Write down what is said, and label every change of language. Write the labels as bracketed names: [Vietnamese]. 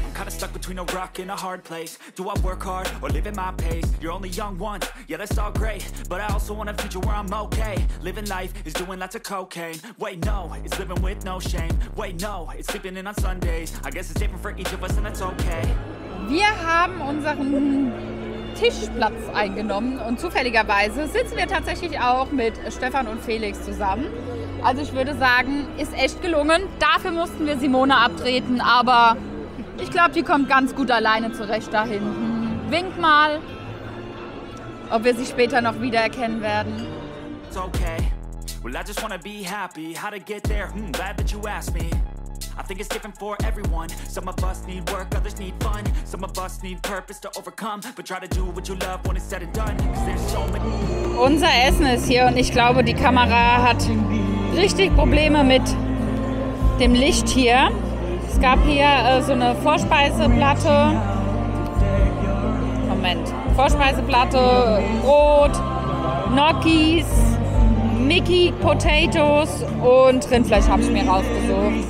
[English] Stuck between a rock and a hard place. Do I work hard or live at my pace? You're only young once, yeah, that's all great. But I also want a future where I'm okay. Living life is doing lots of cocaine. Wait, no, it's living with no shame. Wait, no, it's sleeping in on Sundays. I guess it's different for each of us and that's okay. [German] Wir haben unseren Tischplatz eingenommen und zufälligerweise sitzen wir tatsächlich auch mit Stefan und Felix zusammen. Also ich würde sagen, ist echt gelungen. Dafür mussten wir Simone abtreten, aber... Ich glaube, die kommt ganz gut alleine zurecht da hinten. Wink mal, ob wir sie später noch wiedererkennen werden. [English] It's okay. Well, I just wanna be happy. How to get there? Glad that you asked me. I think it's different for everyone. Some of us need work, others need fun. Some of us need purpose to overcome. But try to do what you love when it's said and done. 'Cause there's so many... [German] Unser Essen ist hier und ich glaube, die Kamera hat richtig Probleme mit dem Licht hier. Es gab hier so eine Vorspeiseplatte. Moment. Vorspeiseplatte, Brot, Gnocchis, Mickey Potatoes und Rindfleisch habe ich mir rausgesucht.